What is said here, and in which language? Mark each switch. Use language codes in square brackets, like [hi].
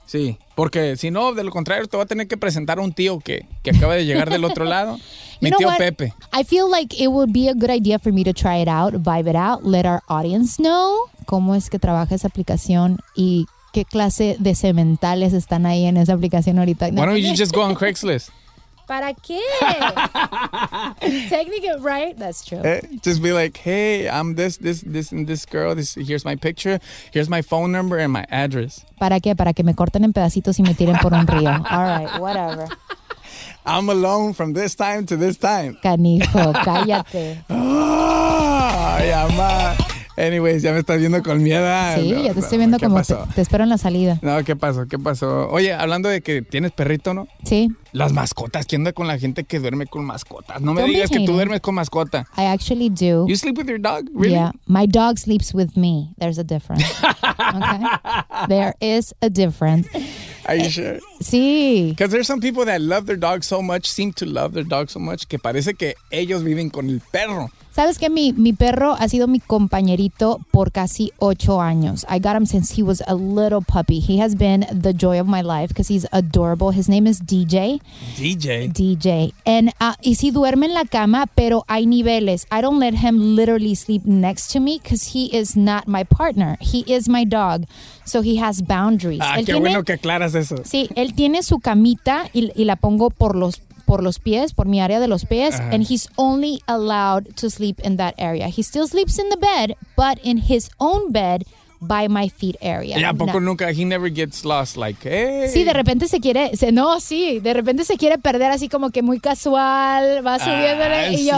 [es] Sí, porque si no, de lo contrario, te va a tener que presentar a un tío que acaba de llegar del otro lado. Mi [en] you know [es] tío [en] what? [es] Pepe. [en] I feel like it would be a good idea for me to try it out, vibe it out, let our audience know [es] cómo es que trabaja esa aplicación y qué clase de sementales están ahí en esa aplicación ahorita. [en] Why don't you just go on Craigslist? [es] ¿Para qué? [en] Technically, right? That's true. Just be like, hey, I'm this, and this girl. Here's my picture. Here's my phone number and my address. [es] ¿Para qué? Para que me corten en pedacitos y me tiren por un río. [en] All right, whatever. I'm alone from this time to this time. [es] Canijo, cállate. Ay, mamá. Anyways, ya me estás viendo con miedo. Sí, no, ya te estoy viendo como te espero en la salida. No, ¿qué pasó? ¿Qué pasó? Oye, hablando de que tienes perrito, ¿no? Sí. Las mascotas, ¿qué onda con la gente que duerme con mascotas? No me digas que tú duermes con mascota. [en] I actually do. You sleep with your dog? Really? Yeah, my dog sleeps with me. There's a difference. Okay? There is a difference. Are you sure? [es] Sí. [en] Because there's some people that love their dog so much, seem to love their dog so much, [es] que parece que ellos viven con el perro. ¿Sabes qué? Mi perro ha sido mi compañerito por casi 8 años. [en] I got him since he was a little puppy. He has been the joy of my life because he's adorable. His name is DJ. DJ. DJ. [es] And y si duerme en la cama, pero hay niveles. [en] I don't let him literally sleep next to me because he is not my partner. He is my dog. So he has boundaries. [es] Ah, él qué tiene, bueno que aclaras eso. Sí, él tiene su camita y la pongo por los pies, por mi área de los pies, [en] and he's only allowed to sleep in that area. He still sleeps in the bed, but in his own bed by my feet area. [es] Yeah, poco no. Nunca, [en] he never gets lost, like, hey. [es] Sí, de repente se quiere, de repente se quiere perder así como que muy casual, va subiéndole, y yo,